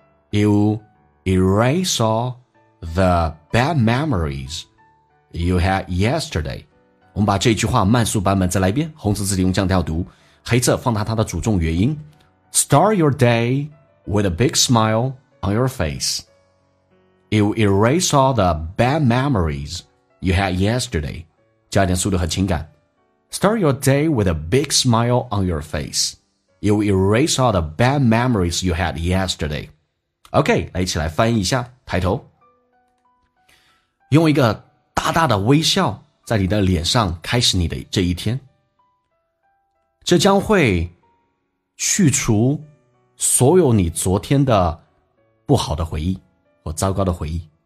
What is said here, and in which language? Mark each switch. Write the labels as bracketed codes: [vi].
[en] You erase all the bad memories you had yesterday. [zh] 我们把这句话慢速版本再来一遍。红色字体用降调读，黑色放大它的主重元音。 [en] Start your day with a big smile on your face. You erase all the bad memories you had yesterday. [zh] 加一点速度和情感。 [en] Start your day with a big smile on your face. You erase all the bad memories you had yesterday. [zh] OK, 来一起来翻译一下，抬头。用一个大大的微笑在你的脸上开始你的这一天。这将会去除所有你昨天的不好的回忆或糟糕的回忆。